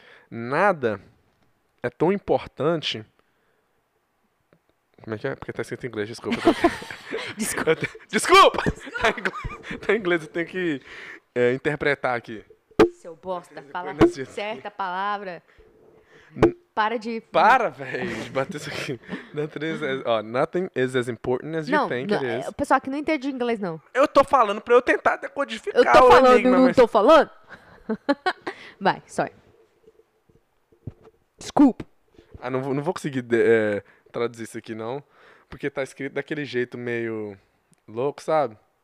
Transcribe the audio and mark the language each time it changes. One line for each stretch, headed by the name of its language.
Portuguese: Nada é tão importante. Como é que é? Porque tá escrito em inglês, desculpa. Desculpa. Desculpa! Tá em inglês, eu tenho que interpretar aqui. Seu bosta, Coisa fala desse jeito. certa palavra. Para de. Para, velho, de bater isso aqui.
English: Nothing is as important as you think it is.
Portuguese: O pessoal que não entende inglês, não. Eu tô falando pra eu tentar decodificar. Eu tô falando, enigma, não tô falando? Vai, sorry. Desculpa. Ah, não vou conseguir traduzir isso aqui, não. Porque tá escrito daquele jeito meio louco, sabe?